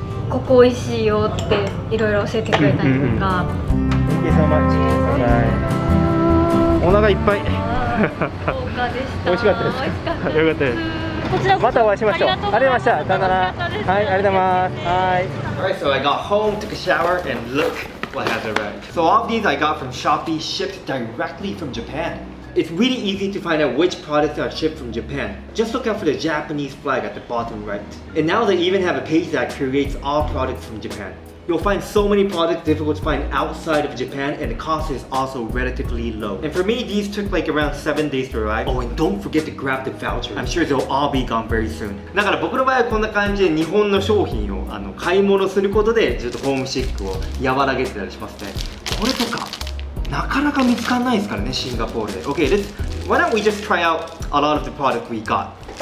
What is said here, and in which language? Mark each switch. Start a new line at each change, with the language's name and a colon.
Japanese: ここおいしいよっていろいろ教えてくれたりとか、
English: うんうんうん、Thank you so much.
Japanese: はい、お腹いっぱい。豪華でした。美味しかったです。美味しかった。よかったです。またお会いしましょう。ありがとうございました。 さよなら。はい、ありがとうございます。
English: Alright, so I got home, took a shower, and look what has arrived. So all these I got from Shopee shipped directly from Japan. It's really easy to find out which products are shipped from Japan. Just look out for the Japanese flag at the bottom right. And now they even have a page that creates all products from Japan. You'll find so many products difficult to find outside of Japan, and the cost is also relatively low. And for me, these took like around 7 days to arrive. Oh, and don't forget to grab the voucher. I'm sure they'll all be gone very soon.
Japanese: だから僕の場合はこんな感じで日本の商品をあの買い物することでちょっとホームシックを和らげてたりしますね。これとかなかなか見つからないですからね、シンガポールで。
English: Okay, let's why don't we just try out a lot of the product we got?